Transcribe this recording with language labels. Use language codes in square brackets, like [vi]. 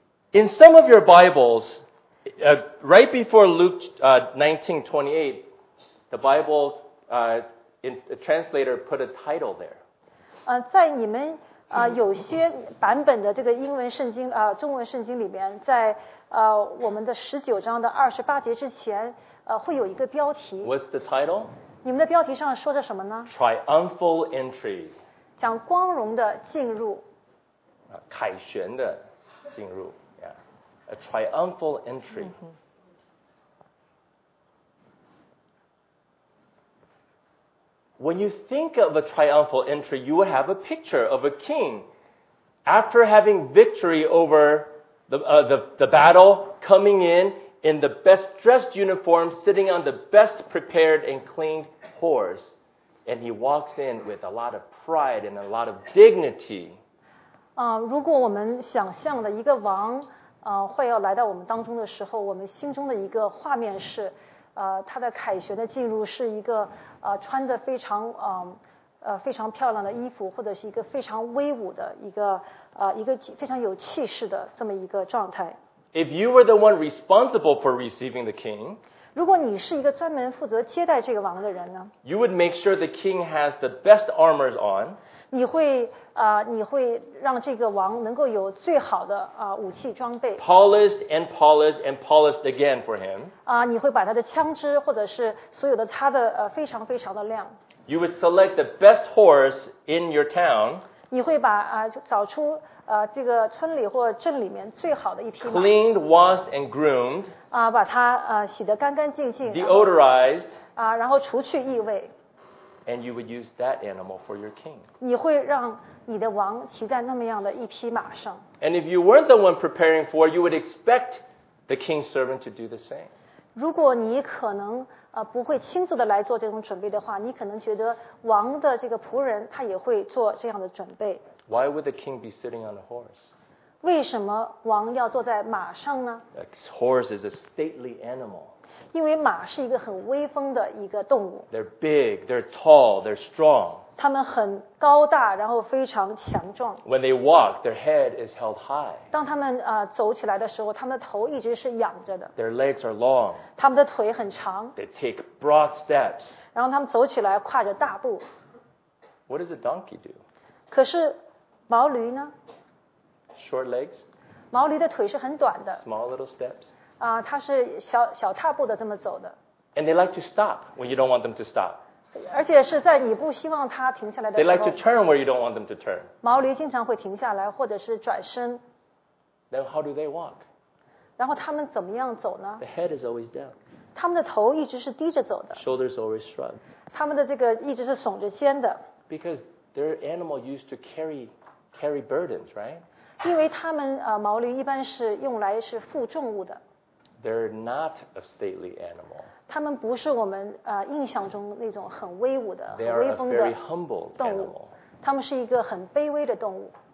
[en] In some of your Bibles, right before Luke 19:28, the Bible the translator put a title there. [zh] 在你们有些版本的这个英文圣经中文圣经里面，在我们的十九章的二十八节之前，会有一个标题。 [en] What's the title? [zh] 你们的标题上说着什么呢？ [en] Triumphal entry. [zh] 讲光荣的进入。凯旋的进入。 [en] Yeah. A triumphal entry. 嗯。 When you think of a triumphal entry, you would have a picture of a king after having victory over the battle, coming in the best dressed uniform, sitting on the best prepared and cleaned horse, and he walks in with a lot of pride and a lot of dignity. [zh] 如果我们想象的一个王会要来到我们当中的时候，我们心中的一个画面是他的凯旋的进入是一个穿的非常非常漂亮的衣服，或者是一个非常威武的一个一个非常有气势的这么一个状态。 [en] If you were the one responsible for receiving the king, [zh] 如果你是一个专门负责接待这个王的人呢？ [en] You would make sure the king has the best armors on. [zh] 你会让这个王能够有最好的武器装备。 [en] Polished and polished and polished again for him. [zh] 你会把他的枪支或者是所有的擦的非常非常的亮。 [en] You would select the best horse in your town. [zh] 你会把找出这个村里或镇里面最好的一匹马。 [en] Cleaned, washed, and groomed. [zh] 把它洗得干干净净。 [en] Deodorized. [zh] 然后除去异味。 [en] And you would use that animal for your king. [zh] 你会让你的王骑在那么样的一匹马上。 [en] And if you weren't the one preparing for, you would expect the king's servant to do the same. [zh] 如果你可能不会亲自的来做这种准备的话，你可能觉得王的这个仆人他也会做这样的准备。 [en] Why would the king be sitting on a horse? [zh] 为什么王要坐在马上呢？ [en] A horse is a stately animal. [zh] 因为马是一个很威风的一个动物。 [en] They're big, they're tall, they're strong. [zh] 他们很高大，然后非常强壮。 [en] When they walk, their head is held high. [zh] 当他们走起来的时候，他们的头一直是仰着的。 [en] Their legs are long. [zh] 他们的腿很长。 [en] They take broad steps. [zh] 然后他们走起来跨着大步。 [en] What does a donkey do? [zh] 可是毛驴呢？ [en] Short legs. [zh] 毛驴的腿是很短的。 [en] Small little steps. [zh] 它是小小踏步的这么走的。 [en] And they like to stop when you don't want them to stop. [zh] 而且是在你不希望它停下来的时候。 [en] They like to turn where you don't want them to turn. [zh] 毛驴经常会停下来或者是转身。 [en] Then how do they walk? [zh] 然后他们怎么样走呢？ [en] The head is always down. [zh] 他们的头一直是低着走的。 [en] Shoulders always shrugged. [zh] 他们的这个一直是耸着肩的。 [en] Because they're animal used to carry burdens, right? [zh] 因为他们毛驴一般是用来是负重物的。 [en] They're not a stately animal. [zh] 他们不是我们印象中那种很威武的、很威风的动物。 [en] They are a very humble animal. [zh] 他们是一个很卑微的动物。